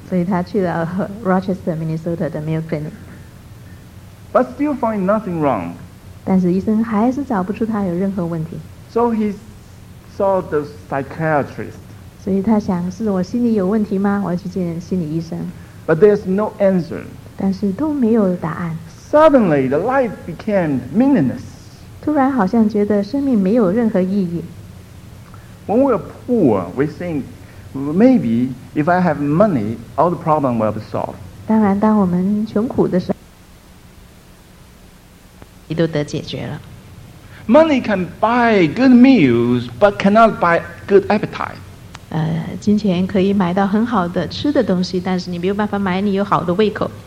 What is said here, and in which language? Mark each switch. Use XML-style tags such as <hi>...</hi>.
<en>So he went to Rochester, Minnesota, the Mayo Clinic. But still find nothing wrong.</en> <zh>但是医生还是找不出他有任何问题。</zh> <en>So he saw the psychiatrist.</en> <zh>所以他想，是我心里有问题吗？我要去见心理医生。</zh> <en>But there's no answer.</en> <zh>但是都没有答案。</zh> <en>Suddenly, the life became meaningless.</en> <zh>突然好像觉得生命没有任何意义。</zh> <en>When we are poor, we think maybe if I have money, all the problem will be solved.</en> <zh>当然，当我们穷苦的时候，都得解决了。</zh> <en>Money can buy good meals, but cannot buy good appetite.</en> <zh>金钱可以买到很好的吃的东西，但是你没有办法买你有好的胃口。</zh>